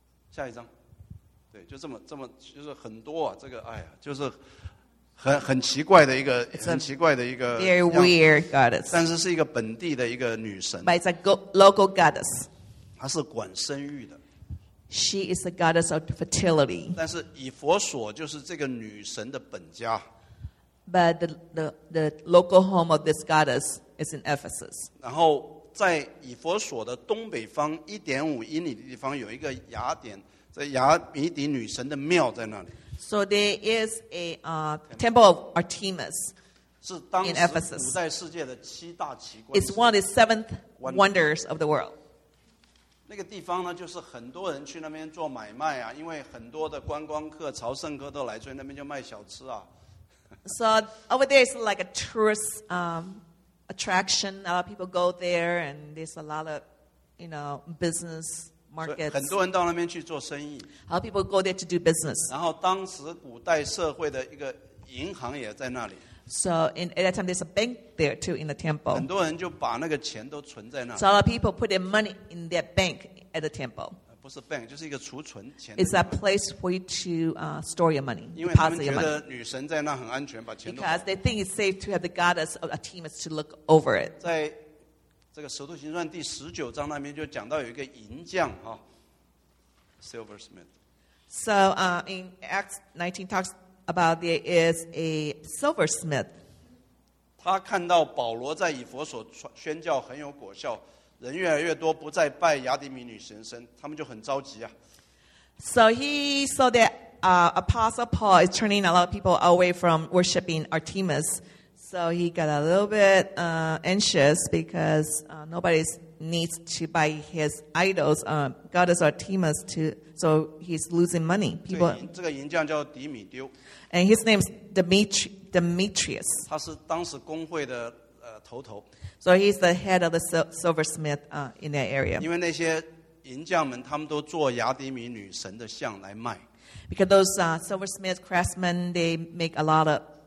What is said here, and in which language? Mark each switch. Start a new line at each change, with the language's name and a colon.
Chinese: 下一张, 对, 就这么, 就是很多, 这个, 哎呀, 就是很, 很奇怪的一个,
English: it's
Chinese: 很奇怪的一个,
English: a very weird goddess.
Chinese: 但是是一个本地的一个女神,
English: but it's a local goddess.
Chinese: 她是管生育的,
English: she is the goddess of fertility.
Chinese: 但是以弗所就是这个女神的本家,
English: but the local home of this goddess is in Ephesus.
Chinese: 然后, 在以弗所的东北方 1.5 英里的地方有一个雅典，在雅米底女神的庙在那里。
English: So there is a temple of Artemis in Ephesus.
Chinese: 是当时古代世界的七大奇观。
English: It's one of the seventh wonders of the world.
Chinese: 那个地方呢，就是很多人去那边做买卖啊，因为很多的观光客、朝圣客都来，所以那边就卖小吃啊。
English: So over there is like a tourist attraction. A lot of people go there, and there's a lot of, you know, business. Markets.
Chinese: 很多人到那边去做生意。
English: How people go there to do business.
Chinese: 然后当时古代社会的一个银行也在那里。
English: So in at that time there's a bank there too in the temple.
Chinese: 很多人就把那个钱都存在那里。
English: So a lot of people put their money in their bank at the temple.
Chinese: 不是 bank, 就是一个储存钱。
English: It's a place for you to store your money.
Chinese: 因为他们觉得女神在那很安全，把钱都。
English: Because they think it's safe to have the goddess of Artemis to look over it.
Chinese: 在这个《使徒行传》第十九章那边就讲到有一个银匠啊 ，silversmith。
English: So in Acts 19 talks about there is a silversmith.
Chinese: 他看到保罗在以弗所宣教很有果效，人越来越多，不再拜雅典米女神神，他们就很着急啊。
English: So he saw that Apostle Paul is turning a lot of people away from worshiping Artemis. So he got a little bit anxious because nobody needs to buy his idols, goddess Artemis, so he's losing money.
Chinese: People, 这个银匠叫迪米丢。
English: And his name is Demetrius.
Chinese: 他是当时工会的头头。
English: So he's the head of the silversmith in that area.
Chinese: 因为那些银匠们他们都做雅典米女神的像来卖。
English: Because those silversmith craftsmen, they make a lot of...